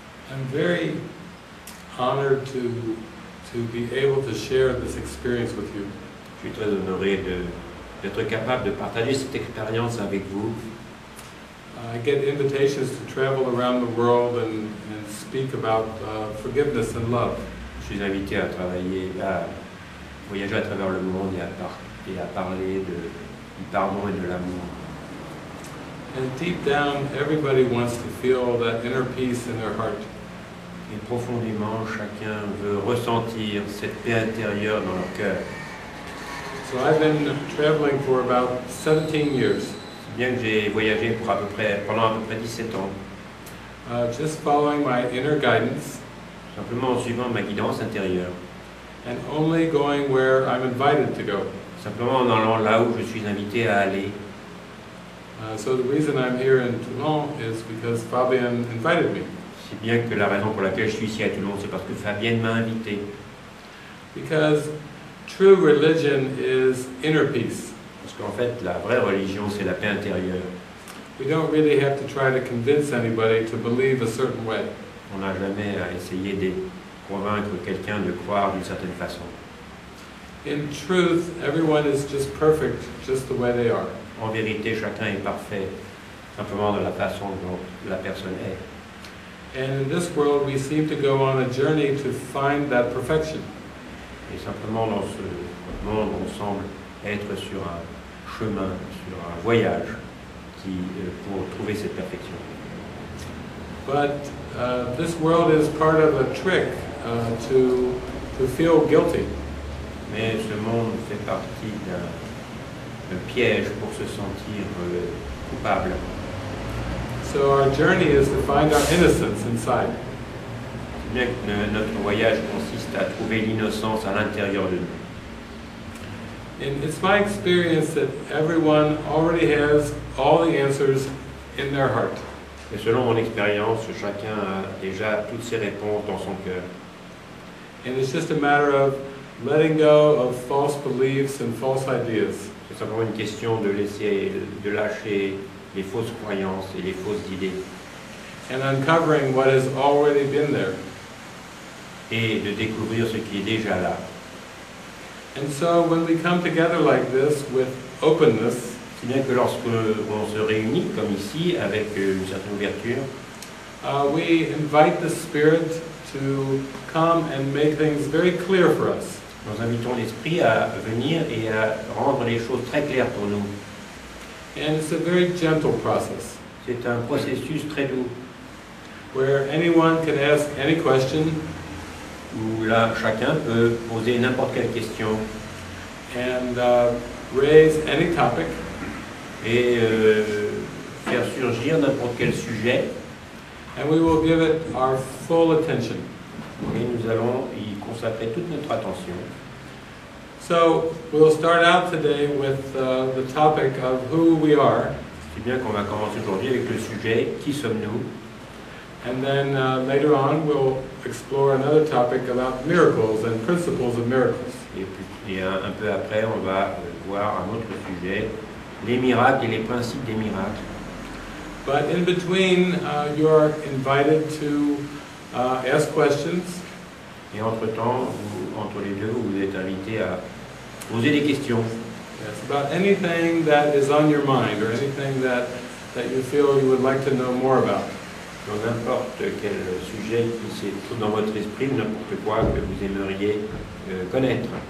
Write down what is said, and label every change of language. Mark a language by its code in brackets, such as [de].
[en] I'm very honored to be able to share this experience with you. [fr] Je suis très honoré d'être capable de partager cette expérience avec vous. [en] I get invitations to travel around the world and speak about forgiveness and love. [fr] Je suis invité à travailler à voyager à travers le monde et à parler de pardon et de l'amour. [en] And deep down, everybody wants to feel that inner peace in their heart. [fr] Et profondément, chacun veut ressentir cette paix intérieure dans leur cœur. [en] So I've been traveling for about 17 years. [fr] Bien que j'ai voyagé pendant à peu près 17 ans. [en] Just following my inner guidance. [fr] Simplement en suivant ma guidance intérieure. [en] And only going where I'm invited to go. [fr] Simplement en allant là où je suis invité à aller. [en] So the reason I'm here in Toulon is because Fabienne invited me. [fr] C'est bien que la raison pour laquelle je suis ici à Toulon, c'est parce que Fabienne m'a invité. [en] Because true religion is inner peace. [fr] Parce qu'en fait, la vraie religion, c'est la paix intérieure. [en] We don't really have to try to convince anybody to believe a certain way. [fr] On n'a jamais à essayer de convaincre quelqu'un de croire d'une certaine façon. [en] In truth, everyone is just perfect, just the way they are. [fr] En vérité, chacun est parfait, simplement de la façon dont la personne est. [en] And in this world, we seem to go on a journey to find that perfection. [fr] Et simplement dans ce monde, on semble être sur un chemin, sur un voyage pour trouver cette perfection. [en] But this world is part of a trick to feel guilty. [fr] Mais ce monde fait partie d'un piège pour se sentir coupable. [en] So our journey is to find our innocence inside. [fr] Bien que notre voyage consiste à trouver l'innocence à l'intérieur de nous. [en] And it's my experience that everyone already has all the answers in their heart. [fr] Et selon mon expérience, chacun a déjà toutes ses réponses dans son cœur. [en] And it's just a matter of letting go of false beliefs and false ideas. [fr] C'est simplement une question de lâcher les fausses croyances et les fausses idées. [en] And uncovering what has already been there. [fr] Et de découvrir ce qui est déjà là. [en] And so when we come together like this with openness, [fr] si bien que lorsque on se réunit comme ici avec une certaine ouverture, [en] we invite the spirit to come and make things very clear for us. [fr] Nous invitons l'esprit à venir et à rendre les choses très claires pour nous. [en] And it's a very gentle process. [fr] C'est un processus très doux. [en] Where anyone can ask any question. [fr] Où là, chacun peut poser n'importe quelle question. [en] And raise any topic. [fr] Et faire surgir n'importe quel sujet. [en] And we will give it our full attention. [fr] Et nous allons y consacrer toute notre attention. [en] So we'll start out today with the topic of who we are. [fr] C'est bien qu'on va commencer aujourd'hui avec le sujet qui sommes-nous. [en] And then later on we'll explore another topic about miracles and principles of miracles. [fr] Et un peu après on va voir un autre sujet, les miracles et les principes des miracles. [en] But in between you are invited to ask questions. [fr] Et entre-temps, entre les deux, vous êtes invité à poser des questions. [en] Yes, about anything that is on your mind or anything that you feel you would like to know more about. [fr] Dans n'importe quel sujet qui se trouve dans votre esprit, n'importe quoi que vous aimeriez connaître.